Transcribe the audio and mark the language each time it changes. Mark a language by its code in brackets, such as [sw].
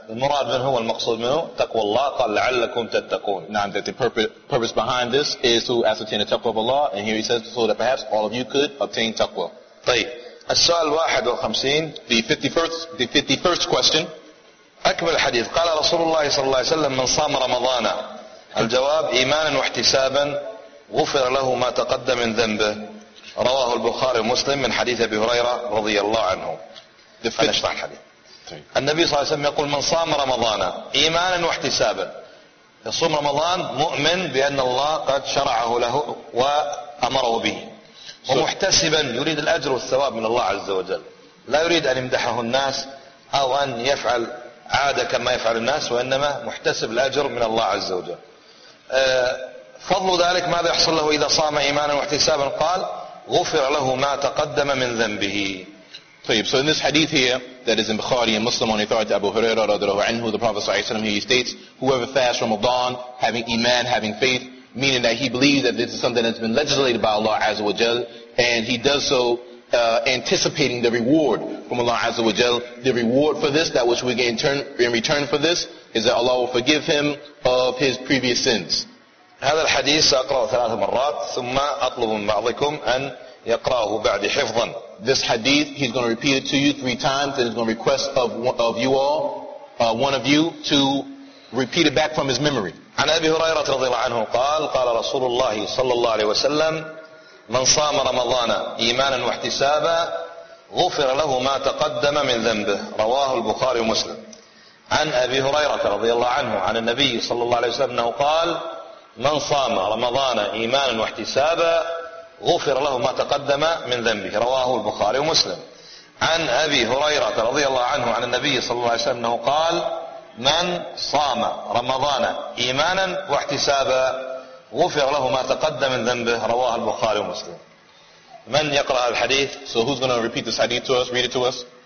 [ar] المراد من هو المقصود منه تقوى الله قال لعلكم تتقون. [en] نعم that the purpose behind this is to ascertain the taqwa of Allah and here he says so that perhaps all of you could obtain taqwa. [ar] طيب. السؤال 51 [en] the 51st question [ar] أكمل الحديث قال رسول الله صلى الله عليه وسلم من صام رمضان الجواب إيمانا واحتسابا غفر له ما تقدم من ذنبه رواه البخاري ومسلم من حديث أبي هريرة رضي الله عنه فنشرح الحديث النبي صلى الله عليه وسلم يقول من صام رمضان إيمانا واحتسابا يصوم رمضان مؤمن بأن الله قد شرعه له وأمره به ومحتسبا يريد الأجر والثواب من الله عز وجل لا يريد أن يمدحه الناس أو أن يفعل عادة كما يفعل الناس وإنما محتسب الأجر من الله عز وجل فضل ذلك ماذا يحصل له إذا صام إيمانا واحتسابا قال غفر له ما تقدم من ذنبه [en] طيب so in this hadith here that is in Bukhari and Muslim on the authority of Abu Huraira [ar] رضي الله عنه [en] the Prophet [ar] صلى الله عليه وسلم [en] he states whoever fasts Ramadan having Iman having faith meaning that he believes that this is something that's been legislated by Allah Azza wa Jal, and he does so anticipating the reward from Allah Azza wa Jal. The reward for this, that which we get in return for this, is that Allah will forgive him of his previous sins. [ar] هذا الحديث سأقرأه ثلاث مرات ثم أطلب من بعضكم أن يقرأه بعد حفظا. [en] This hadith, he's going to repeat it to you three times, and he's going to request of you all, one of you, to repeat it back from his memory. [ar] عن أبي هريرة رضي الله عنه قال رسول الله صلى الله عليه وسلم من صام رمضان إيمانا واحتسابا غفر له ما تقدم من ذنبه رواه البخاري ومسلم عن أبي هريرة رضي الله عنه عن النبي صلى الله عليه وسلم أنه قال من صام رمضان إيمانا واحتسابا غفر له ما تقدم من ذنبه رواه البخاري ومسلم عن أبي هريرة رضي الله عنه عن النبي صلى الله عليه وسلم أنه قال من صام رمضان إيمانا واحتسابا غفر له ما تقدم من ذنبه رواه البخاري ومسلم من يقرأ الحديث [en] So who's going to repeat this hadith to us read it to us